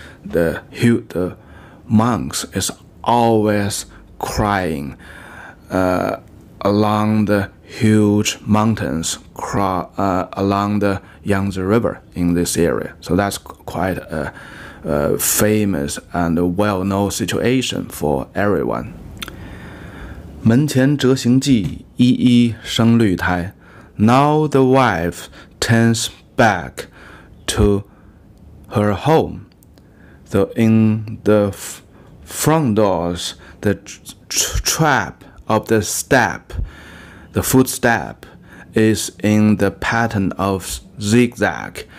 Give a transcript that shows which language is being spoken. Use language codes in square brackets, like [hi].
[en] The monks is always crying along the huge mountains, along the Yangtze River in this area. So that's quite a famous and a well-known situation for everyone. [zh] 门前迟行迹，一一生绿苔。 [en] Now the wife turns back to her home. So in the front doors, the trap of the step, the footstep is in the pattern of zigzag.